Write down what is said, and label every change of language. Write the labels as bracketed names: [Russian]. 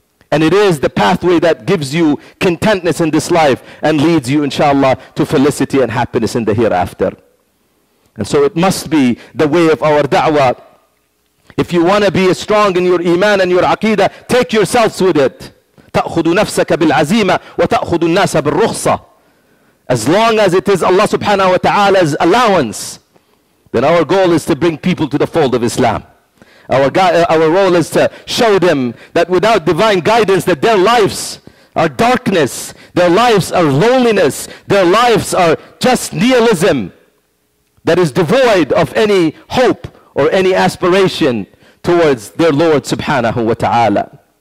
[English] And it is the pathway that gives you contentness in this life and leads you, inshallah, to felicity and happiness in the hereafter. And so it must be the way of our da'wah. If you want to be strong in your iman and your aqidah, take yourselves with it. [Arabic] تأخذ نفسك بالعزيمة وتأخذ الناس بالرخصة. [English] As long as it is Allah subhanahu wa ta'ala's allowance, then our goal is to bring people to the fold of Islam. Our role is to show them that without divine guidance, that their lives are darkness, their lives are loneliness, their lives are just nihilism that is devoid of any hope or any aspiration towards their Lord subhanahu wa ta'ala.